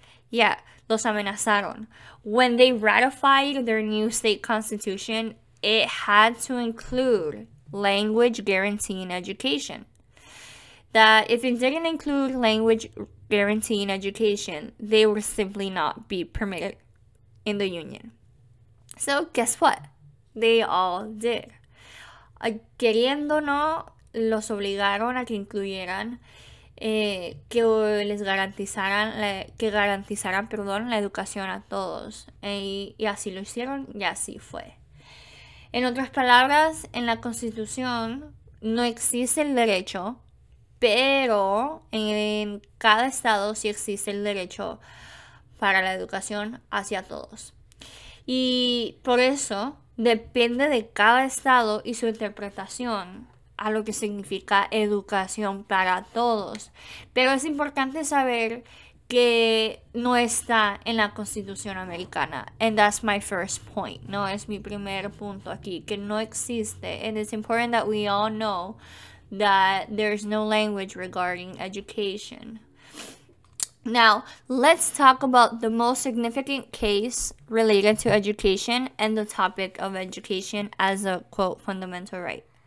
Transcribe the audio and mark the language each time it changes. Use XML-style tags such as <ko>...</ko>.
<en>Yeah,</en> <es>los amenazaron.</es> <en>When they ratified their new state constitution, it had to include language guarantee in education. That if it didn't include language guarantee in education, they would simply not be permitted in the union. So guess what? They all did.</en> <es>Queriendo no, los obligaron a que incluyeran, que garantizaran, la educación a todos. Y así lo hicieron y así fue. En otras palabras, en la Constitución no existe el derecho, pero en cada estado sí existe el derecho para la educación hacia todos. Y por eso depende de cada estado y su interpretación a lo que significa educación para todos. Pero es importante saber que no está en la Constitución Americana.</es> <en>And that's my first point.</en> <es>No es mi primer punto aquí, que no existe.</es> <en>And it's important that we all know that there's no language regarding education. Now, let's talk about the most significant case related to education and the topic of education as a quote fundamental right.</en>